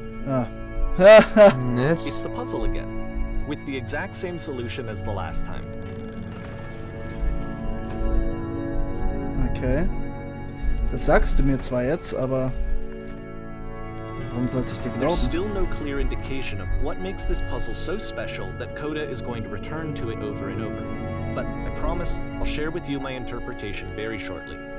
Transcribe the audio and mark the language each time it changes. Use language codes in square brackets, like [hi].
[en] It's the puzzle again, with the exact same solution as the last time. Okay. [de] Das sagst du mir zwar jetzt, aber warum sollte ich dir glauben? [en] There's still no clear indication of what makes this puzzle so special that CODA is going to return to it over and over. But I promise, I'll share with you my interpretation very shortly.